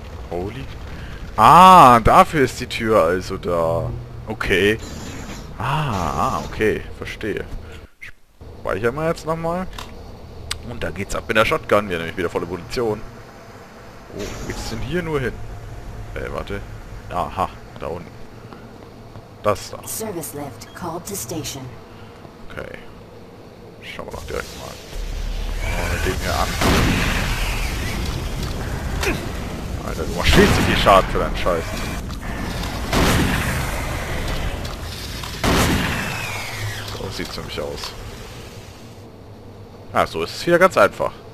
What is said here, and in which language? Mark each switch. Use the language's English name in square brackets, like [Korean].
[German] Holy. Ah, dafür ist die Tür also da. Okay. Okay. Verstehe. Speichern wir jetzt nochmal. Und da geht's ab in der Shotgun. Wir haben nämlich wieder volle Munition. Oh, geht's denn hier nur hin? Warte. Aha, da unten. Das da. [English] Service lift called to station. Okay. [German] Schauen wir doch direkt mal. Den hier an. Alter, du machst viel zu viel Schaden für deinen Scheiß. So sieht's nämlich aus. Ah, so ist es wieder ganz einfach.